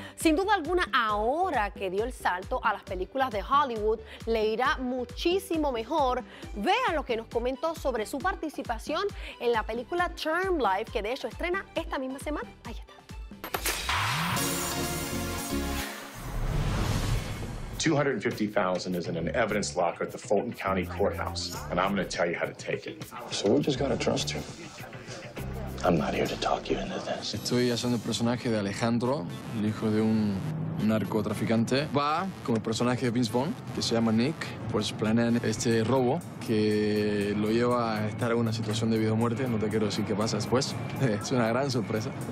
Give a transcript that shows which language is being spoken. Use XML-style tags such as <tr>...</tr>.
<es>Sin duda alguna, ahora que dio el salto a las películas de Hollywood, le irá muchísimo mejor. Vean lo que nos comentó sobre su participación en la película Term Life, que de hecho estrena esta misma semana. Ahí está.</es> <en>$250,000 is in an evidence locker at the Fulton County Courthouse, and I'm gonna tell you how to take it. So we just gotta trust you. I'm not here to talk you into this.</en> <es>Estoy haciendo el personaje de Alejandro, el hijo de un narcotraficante. Va como el personaje de Vince Vaughn, que se llama Nick, pues planean este robo que lo lleva a estar en una situación de vida o muerte. No te quiero decir qué pasa después. Es una gran sorpresa.</es>